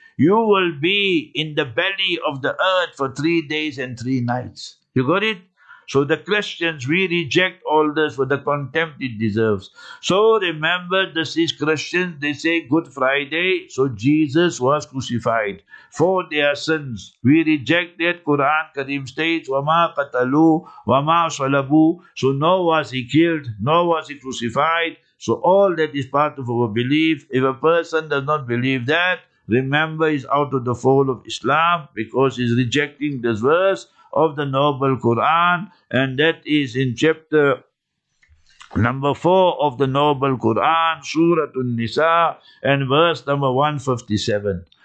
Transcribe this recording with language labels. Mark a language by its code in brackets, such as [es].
[en] You will be in the belly of the earth for 3 days and three nights. You got it? So the Christians, we reject all this for the contempt it deserves. So remember, this is Christians, they say Good Friday, so Jesus was crucified for their sins. We reject that. Quran Kareem states, [ar] وَمَا قَتَلُوا وَمَا صَلَبُوا. [en] So nor was he killed, nor was he crucified. So all that is part of our belief. If a person does not believe that, remember, he's out of the fold of Islam because he's rejecting this verse of the Noble Quran, and that is in chapter number 4 of the Noble Quran, Surah An-Nisa, and verse number 157.